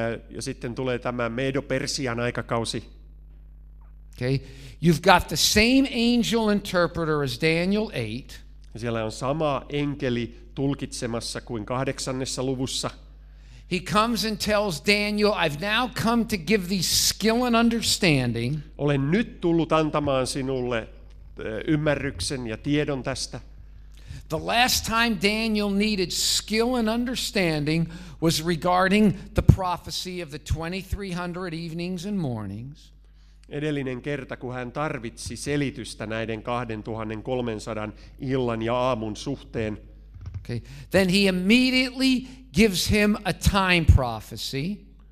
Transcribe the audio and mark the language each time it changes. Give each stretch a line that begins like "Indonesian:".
Finnish: Ja sitten tulee tämä Medo-Persian aikakausi.
English: Okay. You've got the same angel interpreter as Daniel 8.
Finnish: Siellä on sama enkeli tulkitsemassa kuin 8. luvussa.
English: He comes and tells Daniel, I've now come to give thee skill and understanding.
Finnish: Olen nyt tullut antamaan sinulle ymmärryksen ja tiedon tästä.
English: The last time Daniel needed skill and understanding was regarding the prophecy of the 2300 evenings and mornings.
Finnish: Edellinen kerta, kun hän tarvitsi selitystä näiden 2300 illan ja aamun suhteen.
English: Okay. Then he immediately gives him a time prophecy.